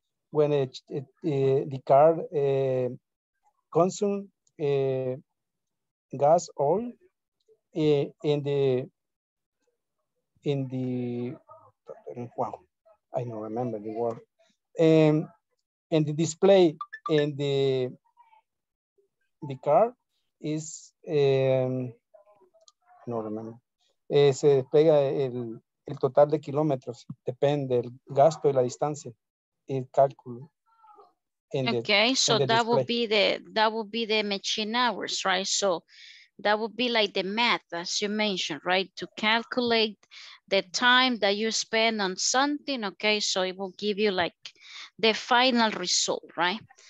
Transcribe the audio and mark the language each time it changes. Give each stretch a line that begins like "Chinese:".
English: When the car consumes gas oil, and the display in the car is, I don't remember.
Spanish: se despega el total de kilómetros. Depende del gasto y la distancia y el cálculo.
English: Okay, so that would be the machine hours, right? So that would be like the math, as you mentioned, right? To calculate the time that you spend on something, okay? So it will give you like the final result, right?